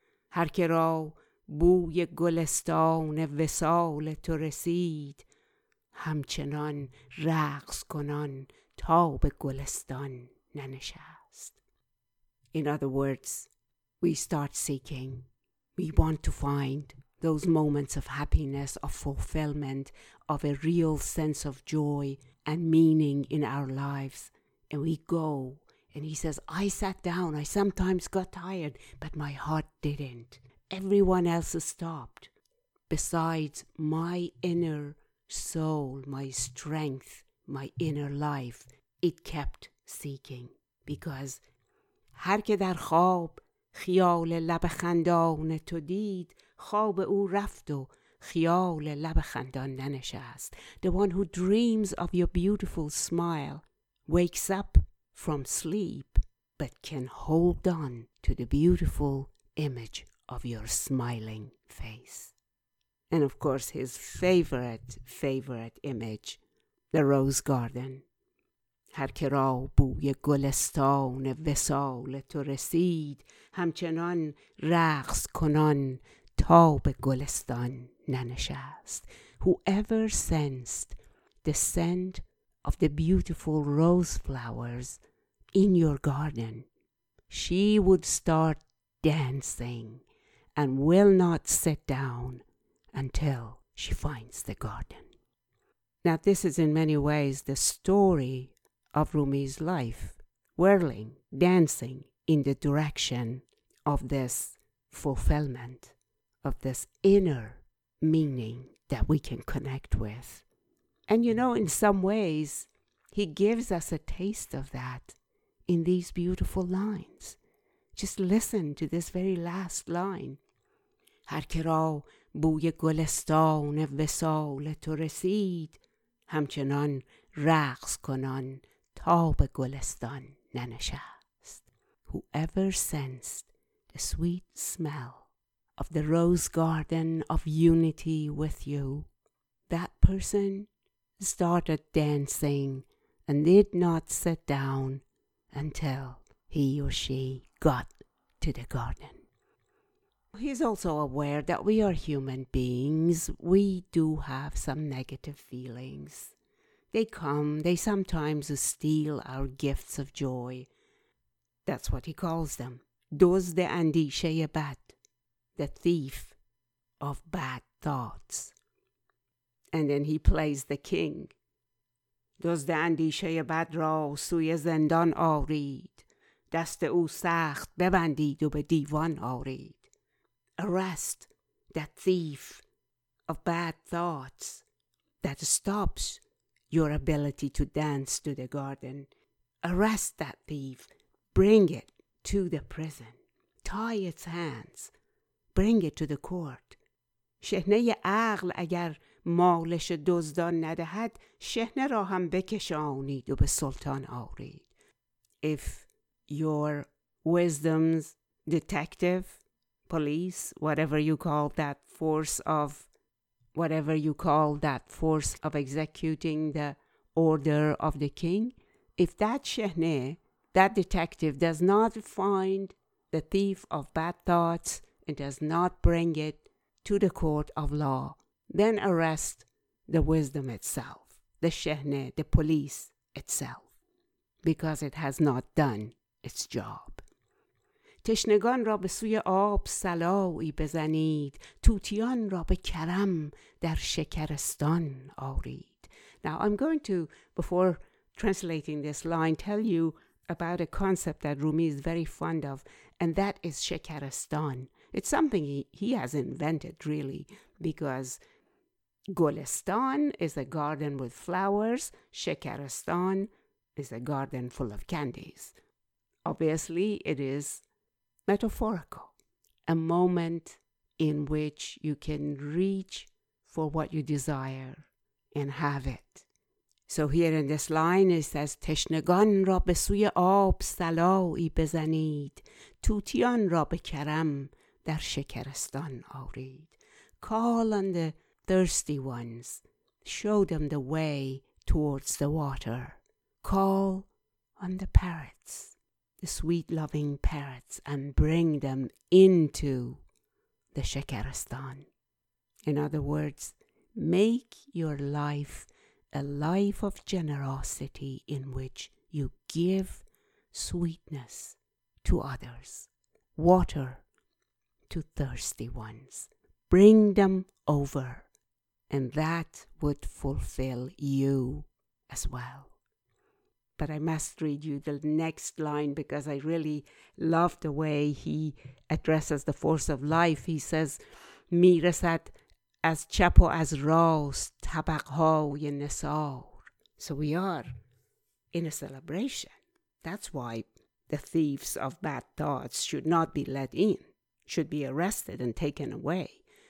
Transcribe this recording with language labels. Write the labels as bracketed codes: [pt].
[fa] هر که را بوی گلستان وصال تو رسید، همچنان رقص کنان تا به گلستان ننشست. [en] In other words, we start seeking. We want to find those moments of happiness, of fulfillment, of a real sense of joy and meaning in our lives. And we go. And he says, I sat down, I sometimes got tired, but my heart didn't. Everyone else stopped. Besides my inner soul, my strength, my inner life, it kept seeking. Because [fa] هر که در خواب خیال لب خندان تو دید، خواب او رفت و خیال لب خندان ننشست. [en] The one who dreams of your beautiful smile wakes up from sleep, but can hold on to the beautiful image of your smiling face. And of course, his favorite image, the rose garden. [fa] هر که را بوی گلستان وصال تو رسید، همچنان رقص کنان تا به گلستان ننشست. [en] Whoever sensed the scent of the beautiful rose flowers in your garden, she would start dancing and will not sit down until she finds the garden. Now, this is in many ways the story of Rumi's life, whirling, dancing in the direction of this fulfillment, of this inner meaning that we can connect with. And you know, in some ways, he gives us a taste of that in these beautiful lines. Just listen to this very last line. [fa] هر که را بوی گلستان وصال تو رسید، همچنان رقص کنان تا به گلستان ننشست. [en] Whoever sensed the sweet smell of the rose garden of unity with you, that person started dancing and did not sit down until he or she got to the garden. He's also aware that we are human beings. We do have some negative feelings. They come, they sometimes steal our gifts of joy. That's what he calls them. [fa] دزد اندیشه بد, [en] the thief of bad thoughts. And then he plays the king. [fa] دزد اندیشه بد را سوی زندان آرید، دست او سخت ببندید و به دیوان آرید. [en] Arrest that thief of bad thoughts that stops your ability to dance to the garden. Arrest that thief, bring it to the prison. Tie its hands, bring it to the court. [fa] شهنه عقل اگر مالش دزدان ندهد، شهنه را هم بکشانید و به سلطان آورید. [en] If your wisdom's detective, police, whatever you call that force of, whatever you call that force of executing the order of the king, if that شهنه, that detective, does not find the thief of bad thoughts and does not bring it to the court of law, then arrest the wisdom itself, the Shehne, the police itself, because it has not done its job. [fa] تشنگان را به سوی آب سلاوی بزنید، توتیان را به کرم در شکرستان آرید. [en] Now I'm going to, before translating this line, tell you about a concept that Rumi is very fond of, and that is شکرستان. It's something he has invented, really, because گلستان is a garden with flowers, شکرستان is a garden full of candies. Obviously, it is metaphorical, a moment in which you can reach for what you desire and have it. So here in this line it says, [fa] تشنگان را به سوی آب سلاوی بزنید، توتیان را به کرم در شکرستان آرید. [en] Call on the thirsty ones, show them the way towards the water. Call on the parrots, the sweet loving parrots, and bring them into the Shekaristan. In other words, make your life a life of generosity in which you give sweetness to others, water to thirsty ones. Bring them over, and that would fulfill you as well. But I must read you the next line because I really love the way he addresses the force of life. He says, [fa] می رسد از چپ و از راست طبقهای نثار. [en] So we are in a celebration. That's why the thieves of bad thoughts should not be let in, should be arrested and taken away.